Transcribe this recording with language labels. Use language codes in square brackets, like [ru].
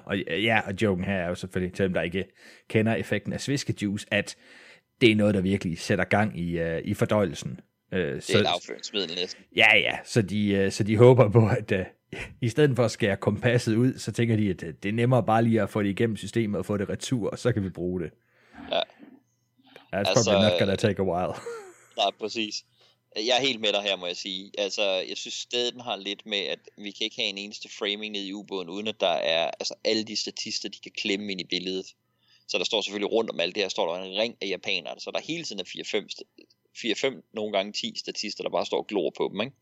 [da] Og ja, og joken her er jo selvfølgelig, til dem der ikke kender effekten af sviskejuice, at det er noget, der virkelig sætter gang i, i fordøjelsen. Det er et afføringsmiddel næsten. Ja, ja. Så de, så de håber på, at i stedet for at skære kompasset ud, så tænker de, at det er nemmere bare lige at få det igennem systemet og få det retur, og så kan vi bruge det. Ja. [en] That's altså, probably not gonna take a while. [da] Nej, præcis. Jeg er helt med dig her, må jeg sige. Altså, jeg synes stadig, den har lidt med, at vi kan ikke have en eneste framing ned i ubåden, uden at der er altså, alle de statister, de kan klemme ind i billedet. Så der står selvfølgelig rundt om alt det her, står der en ring af japanere, så der hele tiden er 4-5, nogle gange 10 statister, der bare står og glor på dem, ikke?